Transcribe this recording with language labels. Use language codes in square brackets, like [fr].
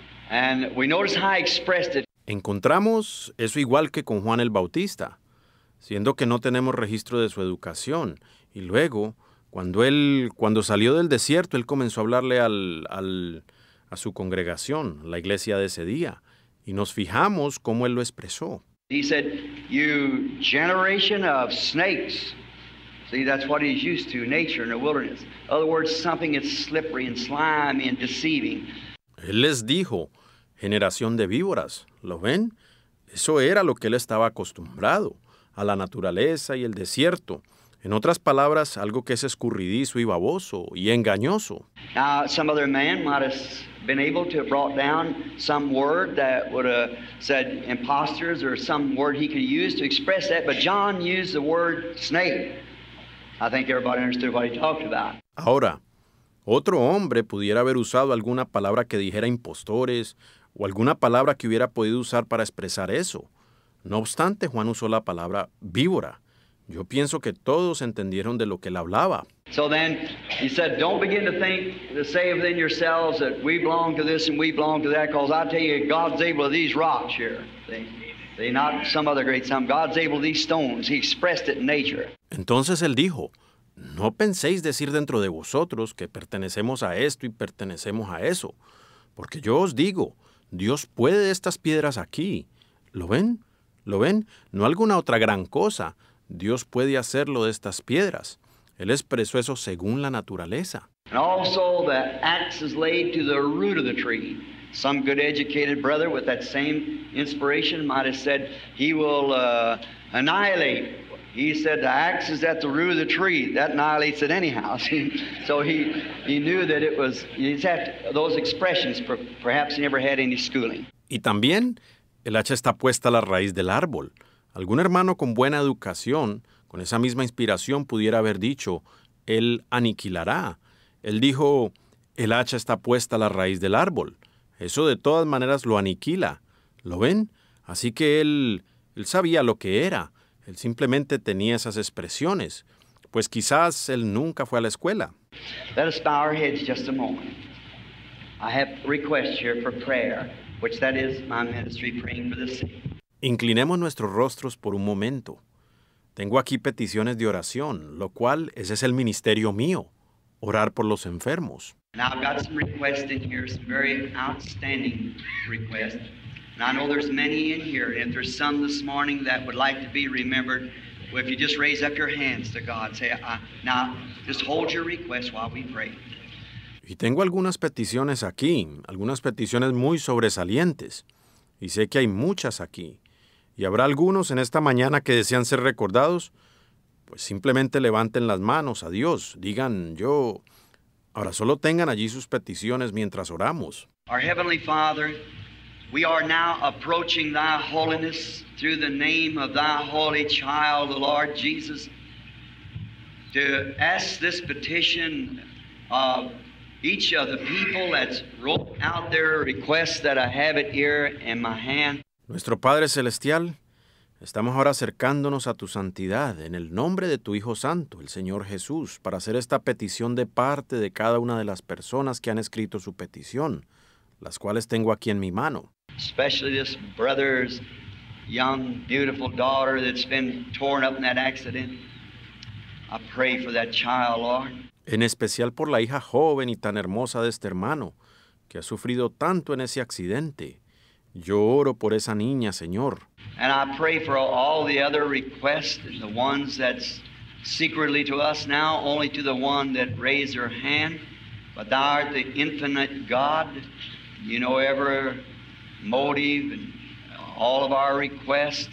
[en] And we notice how he expressed it. [es] Encontramos eso igual que con Juan el Bautista, siendo que no tenemos registro de su educación. Y luego, cuando salió del desierto, él comenzó a hablarle a su congregación, la iglesia de ese día. Y nos fijamos cómo él lo expresó. [en] He said, you generation of snakes. See, that's what he's used to, nature in the wilderness. In other words, something that's slippery and slimy and deceiving. [es] Él les dijo, generación de víboras, ¿lo ven? Eso era lo que él estaba acostumbrado, a la naturaleza y el desierto. En otras palabras, algo que es escurridizo y baboso y engañoso. [en] Now, some other man might have been able to have brought down some word that would have said imposters or some word he could use to express that, but John used the word snake. I think everybody understood what he talked about. [es] Ahora, otro hombre pudiera haber usado alguna palabra que dijera impostores o alguna palabra que hubiera podido usar para expresar eso. No obstante, Juan usó la palabra víbora. Yo pienso que todos entendieron de lo que él hablaba. [en] So then he said, don't begin to think to say within yourselves that we belong to this and we belong to that, because I tell you, God's able to these rocks here. They not some other great sum. God's able to these stones. He expressed it in nature. [es] Entonces él dijo, no penséis decir dentro de vosotros que pertenecemos a esto y pertenecemos a eso. Porque yo os digo, Dios puede de estas piedras aquí. ¿Lo ven? ¿Lo ven? No alguna otra gran cosa. Dios puede hacerlo de estas piedras. Él expresó eso según la naturaleza. [en] And also the axe is laid to the root of the tree. Some good educated brother with that same inspiration might have said he will annihilate. He said the axe is at the root of the tree. That annihilates it anyhow. So he knew that it was, he's had those expressions, perhaps he never had any schooling. [es] Y también el hacha está puesta a la raíz del árbol. Algún hermano con buena educación, con esa misma inspiración, pudiera haber dicho, él aniquilará. Él dijo, el hacha está puesta a la raíz del árbol. Eso de todas maneras lo aniquila. ¿Lo ven? Así que él sabía lo que era. Él simplemente tenía esas expresiones. Pues quizás él nunca fue a la escuela. [en] Let us bow our heads just a moment. I have requests here for prayer, which that is my ministry, praying for the sick. [es] Inclinemos nuestros rostros por un momento. Tengo aquí peticiones de oración, lo cual, ese es el ministerio mío, orar por los enfermos. [en] And I've got some requests in here, some very outstanding requests. And I know there's many in here, and if there's some this morning that would like to be remembered, well, if you just raise up your hands to God, say, now, just hold your request while we pray. [es] Y tengo algunas peticiones aquí, algunas peticiones muy sobresalientes. Y sé que hay muchas aquí. Y habrá algunos en esta mañana que desean ser recordados. Pues simplemente levanten las manos a Dios. Digan, yo. Ahora solo tengan allí sus peticiones mientras oramos. [en] Our Heavenly Father, we are now approaching Thy holiness through the name of Thy holy child, the Lord Jesus, to ask this petition of each of the people that's wrote out their request that I have it here in my hand. [es] Nuestro Padre Celestial, estamos ahora acercándonos a tu santidad en el nombre de tu Hijo Santo, el Señor Jesús, para hacer esta petición de parte de cada una de las personas que han escrito su petición, las cuales tengo aquí en mi mano. [en] Especially this brother's young, beautiful daughter that's been torn up in that accident. I pray for that child, Lord. [es] En especial por la hija joven y tan hermosa de este hermano, que ha sufrido tanto en ese accidente. Yo oro por esa niña, Señor. [en] And I pray for all the other requests, and the ones that's secretly to us now, only to the one that raised her hand. But thou art the infinite God. You know every motive and all of our requests.